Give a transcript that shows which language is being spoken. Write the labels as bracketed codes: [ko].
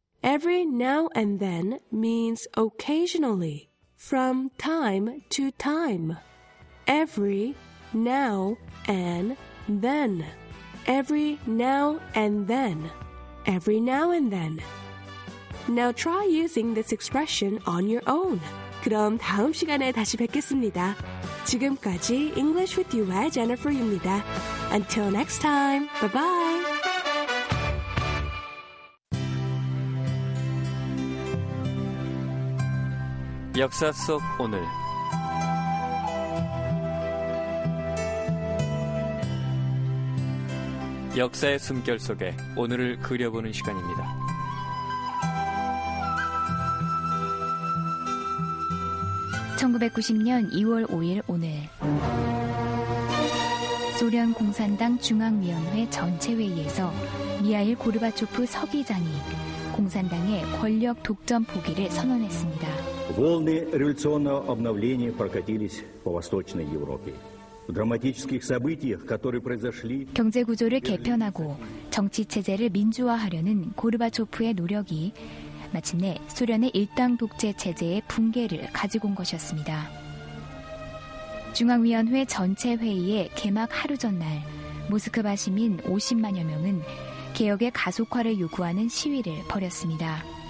[en] Every now and then means occasionally, from time to time. Every now and then. Every now and then. Every now and then. Now try using this expression on your own. [ko] 그럼 다음 시간에 다시 뵙겠습니다. 지금까지 English with you의 Jennifer입니다. [en] Until next time, bye-bye. [ko] Yaksa sok onul. Yaksa의 숨결 속에 오늘을 그려보는 시간입니다. (1990년 2월 5일) 오늘 소련 공산당 중앙위원회 전체회의에서 미하일 고르바초프 서기장이 공산당의 권력 독점 포기를 선언했습니다. [ru] Волны революционного обновления прокатились по Восточной Европе. В драматических событиях, которые произошли... [ko] 경제구조를 개편하고 정치체제를 민주화하려는 고르바초프의 노력이 마침내 소련의 일당 독재 체제의 붕괴를 가지고 온 것이었습니다. 중앙위원회 전체 회의의 개막 하루 전날 모스크바 시민 50만여 명은 개혁의 가속화를 요구하는 시위를 벌였습니다.